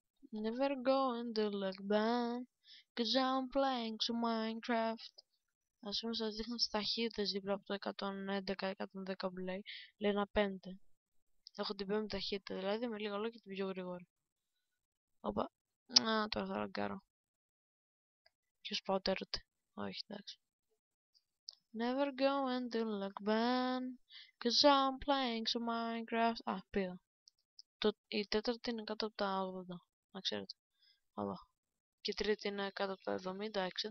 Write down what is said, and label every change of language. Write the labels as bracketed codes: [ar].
[en] Never go into lockdown, cause I'm playing some Minecraft. [el] Ας πούμε σας δείχνω στις ταχύτητες δίπλα από το 111-110 που λέει. Λέει ένα 5. Έχω την 5η ταχύτητα, δηλαδή με λίγα λόγια και την πιο γρήγορη. Όπα, α, τώρα θα ραγκάρω. Ποιος πάω τέρωτε. Όχι, εντάξει. [en] Never go into lockdown, cause I'm playing some Minecraft. [el] Α, πήγα. Η τέταρτη είναι κάτω από τα 80, να ξέρετε. Όπα. Και η τρίτη είναι κάτω από τα 70-60.